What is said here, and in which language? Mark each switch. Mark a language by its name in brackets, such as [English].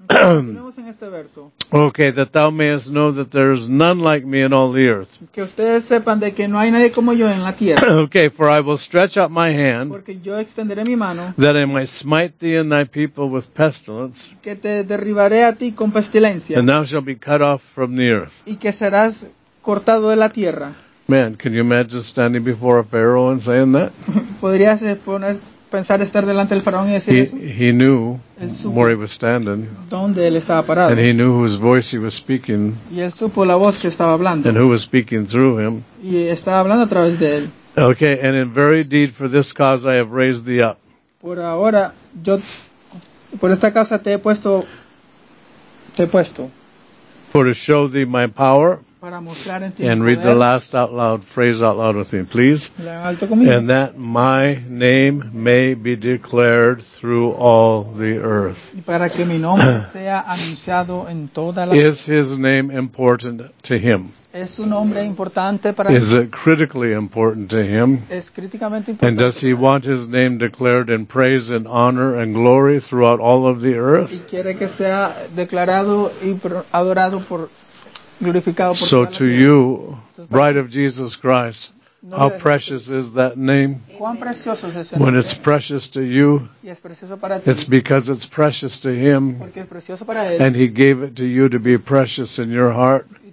[English] Okay, that thou mayest know that there is none like me in all the earth. [Spanish] Que ustedes sepan de que no hay nadie como yo en la tierra. [English] Okay, for I will stretch out my hand. [Spanish] Porque yo extenderé mi mano. [English] That I might smite thee and thy people with pestilence. [Spanish] Que te derribaré a ti con pestilencia. [English] And thou shalt be cut off from the earth. [Spanish] Y que serás cortado de la tierra. [English] Man, can you imagine standing before a Pharaoh and saying that? [Spanish] Podrías poner pensar estar delante del faraón y decir [English] he knew where he was standing. [Spanish] Donde él estaba parado. [English] And he knew whose voice he was speaking. [Spanish] Y él supo la voz que estaba hablando. [English] And who was speaking through him. [Spanish] Y estaba hablando a través de él. [English] Okay, and in very deed for this cause I have raised thee up. [Spanish] Por ahora, yo por esta causa te he puesto. [English] For to show thee my power. [Spanish] Para mostrar en ti [English] and Read the last out loud phrase out loud with me, please. [Spanish] Alto conmigo. [English] And that my name may be declared through all the earth. [Spanish] Y para que mi nombre sea anunciado en toda la [English] is his name important to him? [Spanish] Es su nombre importante para [English] is it critically important to him? [Spanish] Es críticamente importante [English] and does he want his name declared in praise and honor and glory throughout all of the earth? [Spanish] Y quiere que sea declarado y adorado por [English] so to you, Bride of Jesus Christ, how precious is that name? When it's precious to you, it's because it's precious to him. And he gave it to you to be precious in your heart.